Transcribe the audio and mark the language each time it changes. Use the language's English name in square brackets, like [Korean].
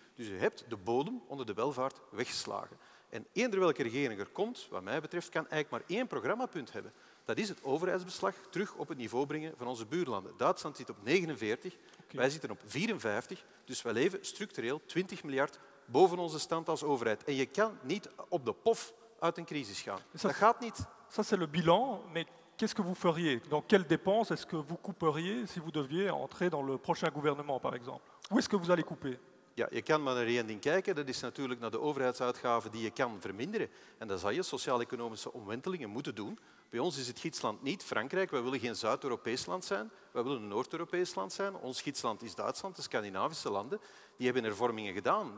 [Dutch] Dus je hebt de bodem onder de welvaart weggeslagen. En eender welke regering er komt, wat mij betreft, kan eigenlijk maar één programmapunt hebben. Dat is het overheidsbeslag terug op het niveau brengen van onze buurlanden. Duitsland zit op 49, wij zitten op 54. Dus wij leven structureel 20 miljard boven onze stand als overheid. En je kan niet op de pof uit een crisis gaan. Dat gaat niet. [French] Ça, c'est le bilan, mais qu'est-ce que vous feriez ? Dans quelles dépenses est-ce que vous couperiez si vous deviez entrer dans le prochain gouvernement, par exemple ? Où est-ce que vous allez couper ? [Dutch] Ja, je kan maar naar één ding kijken. Dat is natuurlijk naar de overheidsuitgaven die je kan verminderen. En dan zal je sociaal-economische omwentelingen moeten doen. Bij ons is het gidsland niet Frankrijk. Wij willen geen Zuid-Europees land zijn. Wij willen een Noord-Europees land zijn. Ons gidsland is Duitsland, de Scandinavische landen. Die hebben hervormingen gedaan.